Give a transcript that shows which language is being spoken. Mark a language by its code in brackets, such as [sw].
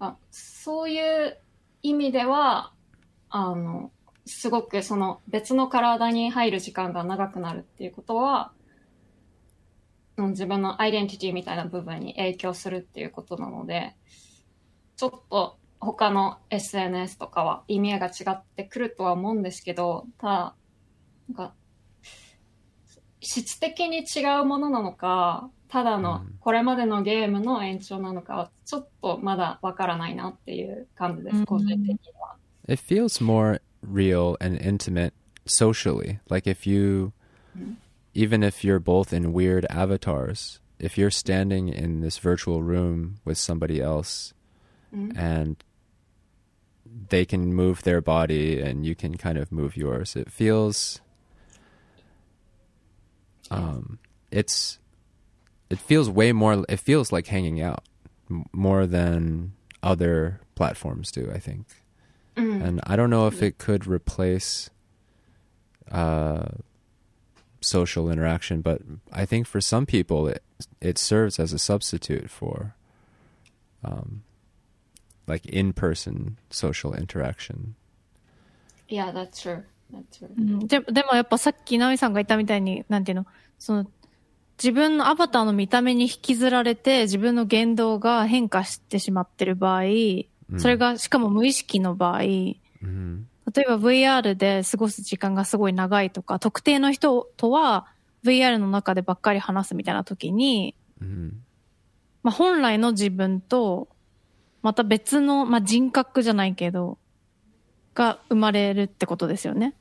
[ja] そういう意味では、すごくその別の体に入る時間が長くなるっていうことは、自分のアイデンティティみたいな部分に影響するっていうことなので、ちょっと、他の SNS とかは意味合いが違ってくるとは思うんですけど、ただ、なんか、質的に違うものなのか、ただのこれまでのゲームの延長なのかは、ちょっとまだわからないなっていう感じです、個人的には。 [en] It feels more real and intimate socially. Like if you, even if you're both in weird avatars, if you're standing in this virtual room with somebody else, and they can move their body and you can kind of move yours. It feels, it feels like hanging out more than other platforms do, I think. And I don't know if it could replace, social interaction, but I think for some people it serves as a substitute for, like in-person social interaction. Yeah, that's true. That's true. [ja] でもやっぱさっきナミさんが言ったみたいに、なんていうの、その自分のアバターの見た目に引きずられて自分の言動が変化してしまってる場合、それがしかも無意識の場合、例えば VR で過ごす時間がすごい長いとか、特定の人とは VR の中でばっかり話すみたいな時に、まあ本来の自分とまた別の、まあ、人格じゃないけどが生まれるってことですよね。